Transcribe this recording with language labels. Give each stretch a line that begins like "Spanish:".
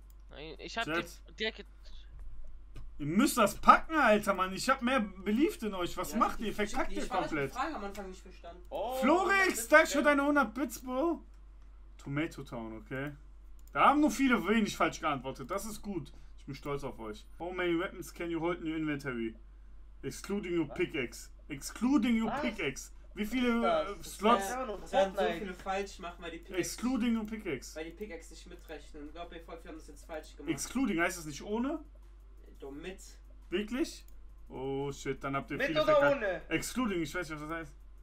German: Nein, ich hab direkt. Ihr müsst das packen, Alter, Mann. Ich hab mehr beliebt in euch. Was macht ihr? Verkackt ihr komplett. Ich hab die Frage am Anfang nicht verstanden. Oh, Florix, danke für deine 100 Bits, Bro. Tomato Town, okay? Da haben nur viele wenig falsch geantwortet. Das ist gut. Ich bin stolz auf euch.
English: How many weapons can you hold in your inventory? Excluding your pickaxe. Excluding your pickaxe.
German: Wie viele Slots? Ja, wir haben so viele falsch gemacht, weil die
English: Pickaxe. Excluding your pickaxe.
German: Weil die Pickaxe nicht mitrechnen. Ich glaube, wir haben das jetzt falsch gemacht. Excluding heißt das nicht ohne? Mit. Wirklich? Oh shit, dann habt ihr mit viele oder verkackt. Ohne? Excluding, ich weiß nicht, was das heißt.